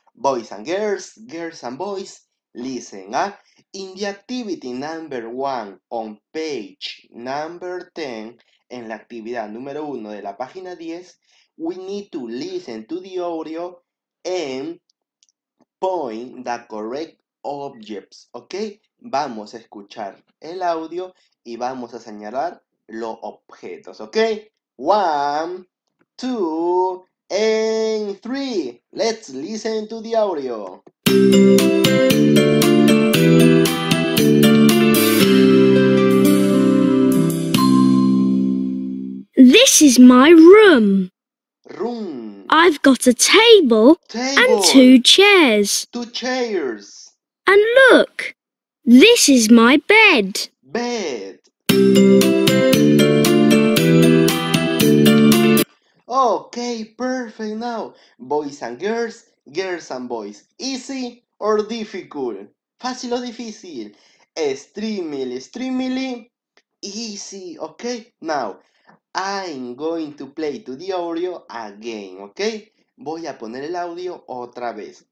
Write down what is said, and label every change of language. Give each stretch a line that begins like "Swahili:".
English: Boys and girls, girls and boys, listen. In the activity number one on page number 10,
Spanish: en la actividad número 1 de la página 10,
English: we need to listen to the audio and point the correct objects. ¿Ok?
Spanish: Vamos a escuchar el audio y vamos a señalar los objetos. ¿Ok?
English: One, two, and three, let's listen to the audio. This is my room. Room, I've got a table and two table, chairs. two chairs, And look, this is my bed. bed. Ok, perfect now. Boys and girls, girls and boys. Easy or difficult?
Spanish: ¿Fácil o difícil?
English: Extremely, extremely easy. Ok, now I'm going to play to the audio again.
Spanish: Ok, voy a poner el audio otra vez.